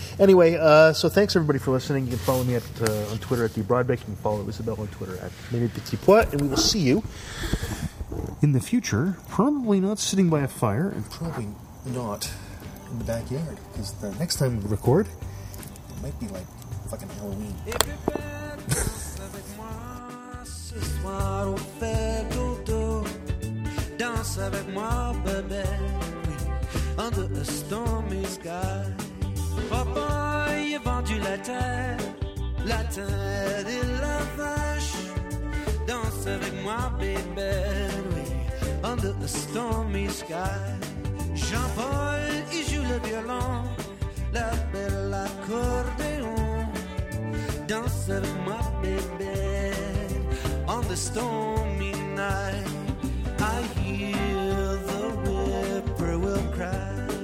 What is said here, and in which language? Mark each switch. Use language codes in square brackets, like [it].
[en] Anyway, so thanks everybody for listening. You can follow me on Twitter at TheBroadbeck. You can follow Isabel on Twitter at MenePetitPois, and we will see you in the future. Probably not sitting by a fire, and probably not in the backyard because the next time we record, it might be like fucking Halloween. [fr] Ce soir on fait dodo, danse avec moi bébé, oui. [en] Under a stormy sky, [fr] papa y a vendu la terre et la vache. Danse avec moi bébé, oui. [en] Under a stormy sky, [fr] Jean-Paul y joue le violon, la belle accordéon. Danse avec moi bébé. [en] On the stormy night, I hear the whippoorwill cry.